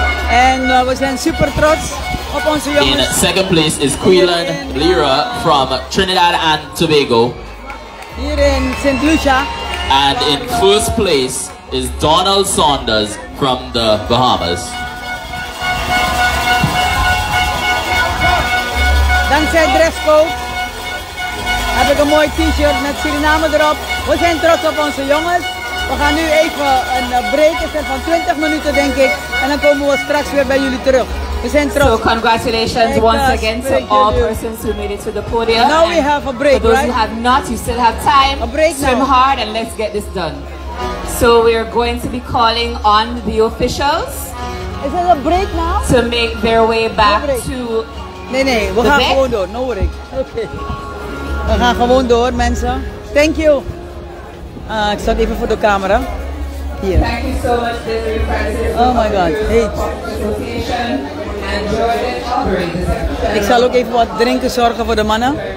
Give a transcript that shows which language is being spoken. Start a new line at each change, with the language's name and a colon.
Dutch: En we zijn super trots op onze jongens.
English: In second place is Quilan Lira from Trinidad and Tobago.
Dutch: Hier in St. Lucia.
English: And in first place is Donald Saunders from the Bahamas.
Dutch: Dankzij Dresco heb ik een mooi t-shirt met Suriname erop. We zijn trots op onze jongens. We gaan nu even een break van 20 minuten, denk ik. En dan komen we straks weer bij jullie terug. We zijn trots.
English: So congratulations once again to all persons who made it to the podium. And now we have a break, right? For those who have not, you still have time. A break now. Swim hard and let's get this done. So we are going to be calling on the officials. Is it a break now? To make their way back to the deck.
Dutch: Nee, we gaan gewoon door.
English: No break.
Dutch: Okay. We gaan gewoon door, mensen.
English: Thank you.
Dutch: Ik zat even voor de camera. Hier.
English: Thank you so much, Desiree Francis. Oh my god, hey.
Dutch: Ik zal ook even wat drinken zorgen voor de mannen.